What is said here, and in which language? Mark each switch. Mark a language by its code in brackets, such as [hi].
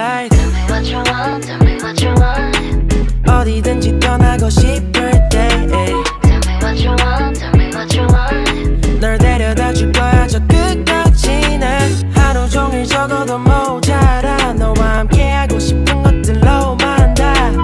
[en] Tell me what you want, tell me what you want [ko] 어디든지 떠나고 싶을 때 [en] Tell me what you want, tell me what you want [ko] 널 데려다 줄 거야 저 끝까지 난 하루 종일 적어도 모자라 너와 함께 하고 싶은 것들로 만다